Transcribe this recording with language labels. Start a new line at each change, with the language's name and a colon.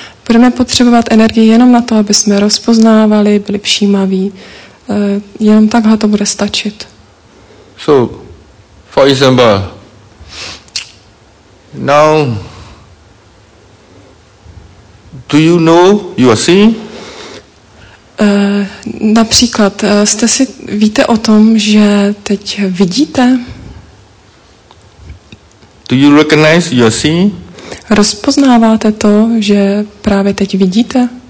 Czech: Budeme potřebovat energii jenom na to, aby jsme rozpoznávali, byli všímaví. Jenom takhle to bude stačit.
English: So, for example, now, do you know you are seeing?
Czech: Například, jste si víte o tom, že teď vidíte?
English: Do you recognize you are seeing?
Czech: Rozpoznáváte to, že právě teď vidíte?